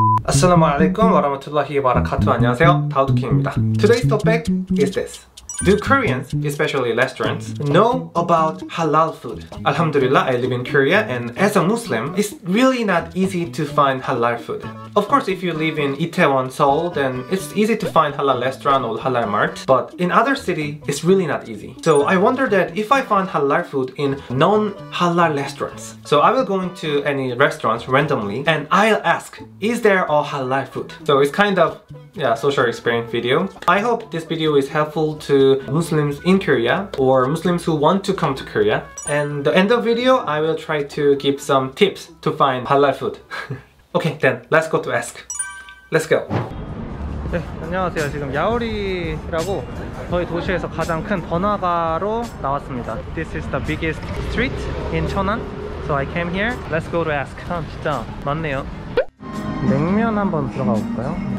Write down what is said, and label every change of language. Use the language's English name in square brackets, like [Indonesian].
[Arabic] 아살라무 알라이쿰 와라마툴라히 와라카투. [Korean] 안녕하세요, 다우드 킴입니다. [English] Today's topic is this. Do Koreans, especially restaurants, know about halal food? Alhamdulillah, I live in Korea, and as a Muslim, it's really not easy to find halal food. Of course, if you live in Itaewon, Seoul, then it's easy to find halal restaurant or halal mart. But in other city, it's really not easy. So I wonder that if I find halal food in non-halal restaurants. So I will go into any restaurants randomly, and I'll ask, is there a halal food? So it's kind of, yeah, social experience video. I hope this video is helpful to Muslims in Korea or Muslims who want to come to Korea. And the end of video, I will try to give some tips to find halal food. Okay, then let's go to ask. Let's go. [Korean] 네, 안녕하세요. 지금 야오리라고 저희 도시에서 가장 큰 번화가로 나왔습니다. [English] This is the biggest street in Cheonan. So I came here. Let's go to ask. [Korean] 아, 진짜 많네요. 냉면 한번 들어가 볼까요?